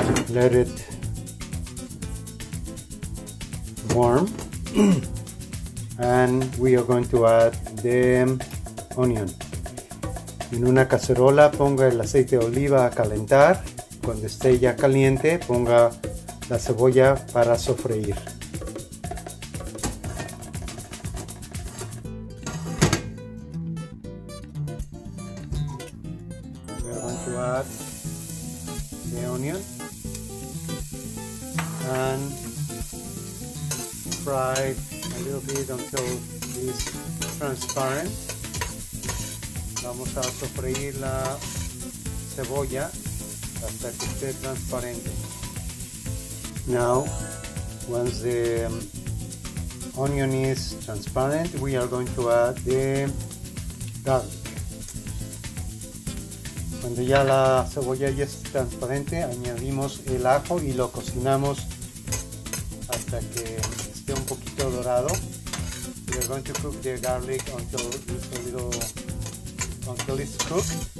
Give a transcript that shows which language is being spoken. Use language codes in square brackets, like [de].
[en] Let it warm, and we are going to add the onion. [es] En una cacerola, ponga el aceite de oliva a calentar. Cuando esté ya caliente, ponga la cebolla para sofreír. [en] The onion and fry a little bit until it's transparent. [es] Vamos a sofreír la cebolla hasta que esté transparente. [en] Now, once the onion is transparent, we are going to add the garlic. [es] Cuando ya la cebolla ya es transparente, añadimos el ajo y lo cocinamos hasta que esté un poquito dorado. [en] We're going to cook the garlic until it's cooked.